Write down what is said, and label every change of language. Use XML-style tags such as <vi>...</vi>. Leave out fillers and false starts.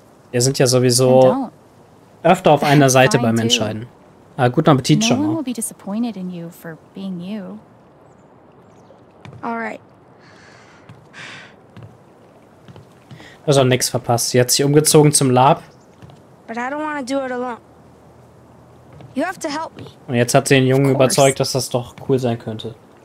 <de>Wir sind ja sowieso öfter auf einer Seite beim Entscheiden. Ah, guten Appetit schon.</de> <en>No one will be disappointed in you for being you. All right.</en> <de>Du hast auch nichts verpasst. Sie hat sich umgezogen zum Lab.</de> <en>But I don't want to do it alone. You have to help me.</en> <de>Und jetzt hat sie den Jungen überzeugt, dass das doch cool sein könnte.</de>